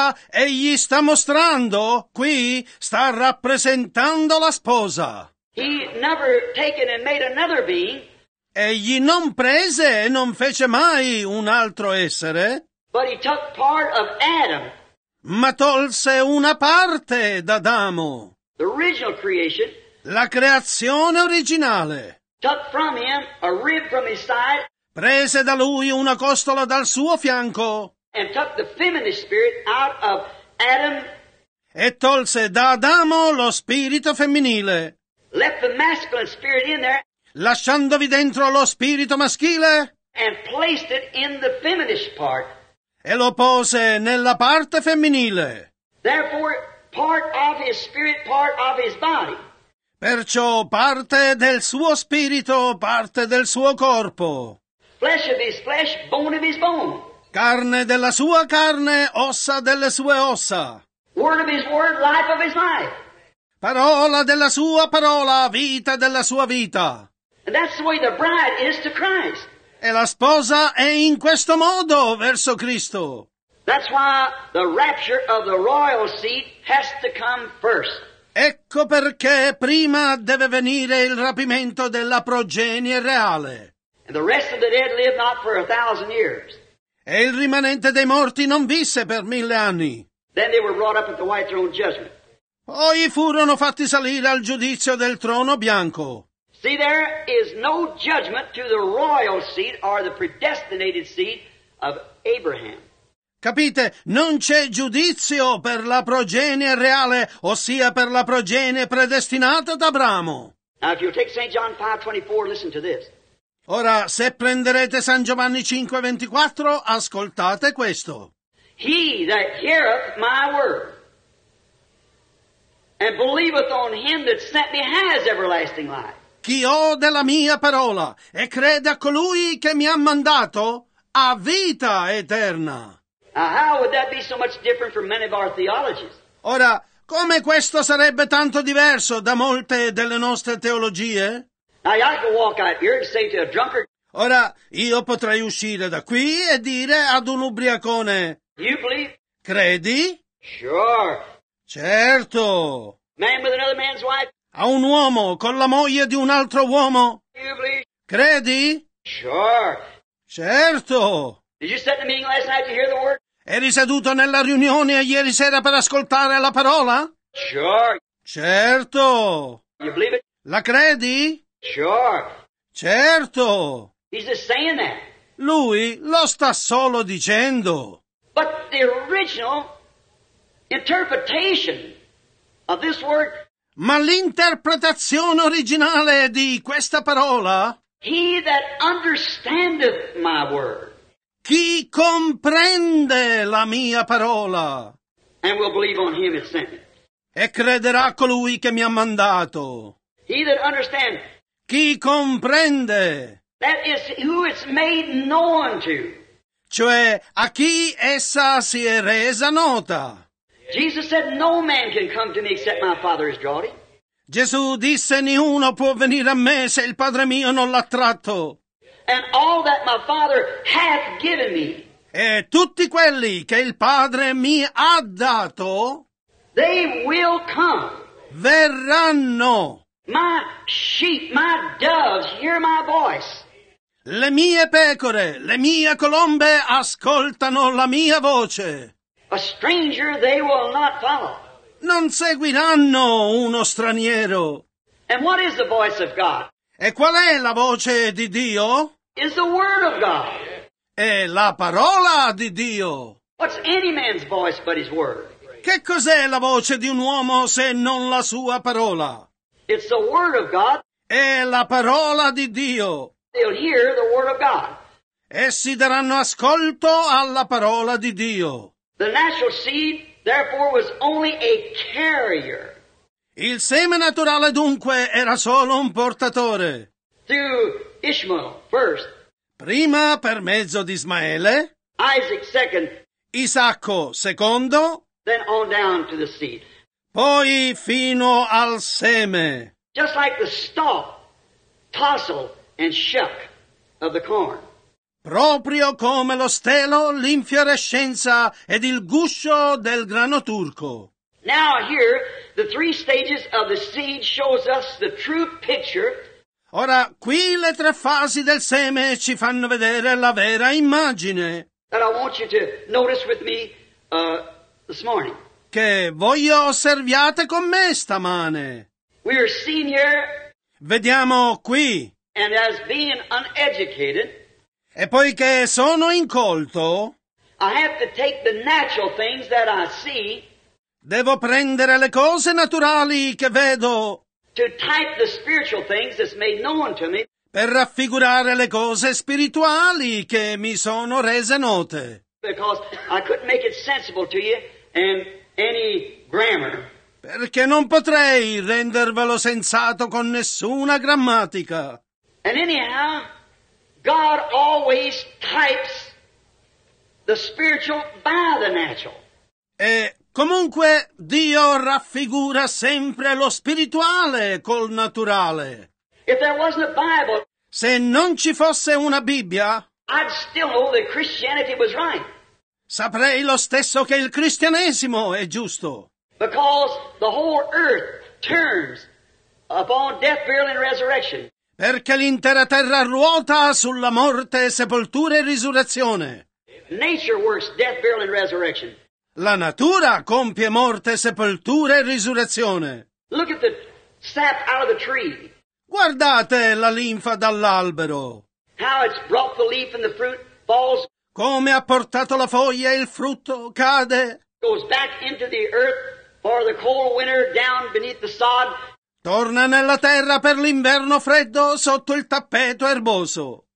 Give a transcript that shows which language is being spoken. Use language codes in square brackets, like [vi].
[it] Egli sta mostrando qui, sta rappresentando la sposa. [en] He never taken and made another being. [it] Egli non prese e non fece mai un altro essere. [en] But he took part of Adam. [it] Ma tolse una parte da Adamo. [en] The original creation. [it] La creazione originale. [en] Took from him a rib from his side. [it] Prese da lui una costola dal suo fianco. [en] And took the feminine spirit out of Adam. [it] E tolse da Adamo lo spirito femminile. [en] Left the masculine spirit in there. [it] Lasciandovi dentro lo spirito maschile. [en] And placed it in the feminine part. [it] E lo pose nella parte femminile. [en] Therefore, part of his spirit, part of his body. [it] Perciò parte del suo spirito, parte del suo corpo. [en] Flesh of his flesh, bone of his bone. [it] Carne della sua carne, ossa delle sue ossa. [en] Word of his word, life of his life. [it] Parola della sua parola, vita della sua vita. [en] And that's the way the bride is to Christ. [it] E la sposa è in questo modo verso Cristo. [en] That's why the rapture of the royal seat has to come first. [it] Ecco perché prima deve venire il rapimento della progenie reale. [en] And the rest of the dead lived not for a thousand years. [it] E il rimanente dei morti non visse per 1000 anni. [en] Then they were brought up at the white throne judgment. [it] Poi furono fatti salire al giudizio del trono bianco. [en] See, there is no judgment to the royal seat or the predestinated seat of Abraham. [it] Capite, non c'è giudizio per la progenie reale, ossia per la progenie predestinata d'Abramo. [en] Now, if you'll take St. John 5:24, listen to this. [it] Ora, se prenderete San Giovanni 5:24, ascoltate questo. [en] He that heareth my word and believeth on him that sent me has everlasting life. [it] Chi ode la mia parola e crede a colui che mi ha mandato ha vita eterna. [en] How would that be so much different from many of our theologies? [it] Ora, come questo sarebbe tanto diverso da molte delle nostre teologie? [en] Now, I could walk out here and say to a drunkard. [it] Ora, io potrei uscire da qui e dire ad un ubriacone. [en] You believe? [it] Credi? [en] Sure. [it] Certo. [en] Man with another man's wife. [it] A un uomo con la moglie di un altro uomo. [en] You believe? [it] Credi? [en] Sure. [it] Certo. [en] Did you sit in the meeting last night to hear the word? [it] Eri seduto nella riunione ieri sera per ascoltare la parola? [en] Sure. [it] Certo. [en] You believe it? [it] La credi? [en] Sure. [it] Certo. [en] He's just saying that. [it] Lui lo sta solo dicendo. [en] But the original interpretation of this word. [it] Ma l'interpretazione originale di questa parola? [en] He that understandeth my word. [it] Chi comprende la mia parola [en] and will believe on him that sent me. [it] E crederà a colui che mi ha mandato. [en] He that understand. [it] Chi comprende. [en] That is who it's made known to. [it] Cioè, a chi essa si è resa nota. [en] Jesus said, no man can come to me except my Father has drawn him. [it] Gesù disse, niuno può venire a me se il Padre mio non l'ha tratto. [en] And all that my Father hath given me. [it] E tutti quelli che il Padre mi ha dato. [en] They will come. [it] Verranno. [en] My sheep, my doves, hear my voice. [it] Le mie pecore, le mie colombe ascoltano la mia voce. [en] A stranger they will not follow. [it] Non seguiranno uno straniero. [en] And what is the voice of God? [it] E qual è la voce di Dio? [en] Is the word of God. [it] È la parola di Dio. [en] What's any man's voice but his word? [it] Che cos'è la voce di un uomo se non la sua parola? [en] It's the word of God. [it] È la parola di Dio. [en] They'll hear the word of God. [it] Essi daranno ascolto alla parola di Dio. [en] The natural seed, therefore, was only a carrier. [it] Il seme naturale, dunque, era solo un portatore. [en] Through Ishmael, first. [it] Prima per mezzo di Ismaele. [en] Isaac, second. [it] Isacco, secondo. [en] Then on down to the seed. [it] Poi fino al seme. [en] Just like the stalk, tossle, and shuck of the corn. [it] Proprio come lo stelo, l'infiorescenza ed il guscio del grano turco. [en] Now here, the three stages of the seed shows us the true picture. [it] Ora, qui le tre fasi del seme ci fanno vedere la vera immagine. [en] That I want you to notice with me, this morning. [it] Che voglio osserviate con me stamane. [en] We are seen here. [it] Vediamo qui. [en] And as being uneducated. [it] E poiché sono incolto. [en] I have to take the natural things that I see. [it] Devo prendere le cose naturali che vedo. [en] To type the spiritual things that's made known to me. [it] Per raffigurare le cose spirituali che mi sono rese note. [en] Because I couldn't make it sensible to you in any grammar. [it] perché non potrei rendervelo sensato con nessuna grammatica. [en] And anyhow, God always types the spiritual by the natural. [it] E comunque Dio raffigura sempre lo spirituale col naturale. [en] If there wasn't a Bible, [it] se non ci fosse una Bibbia, [en] I'd still know that Christianity was right. [it] Saprei lo stesso che il cristianesimo è giusto. [en] Because the whole earth turns upon death, burial, and resurrection. [it] Perché l'intera terra ruota sulla morte, sepoltura e risurrezione. [en] Nature works death, burial, and resurrection. [it] La natura compie morte, sepoltura e risurrezione. [en] Look at the sap out of the tree. [it] Guardate la linfa dall'albero. [en] How it's brought the leaf and the fruit falls. [it] Come ha portato la foglia e il frutto cade. [en] Goes back into the earth for the cold winter down beneath the sod. [it] Torna nella terra per l'inverno freddo sotto il tappeto erboso.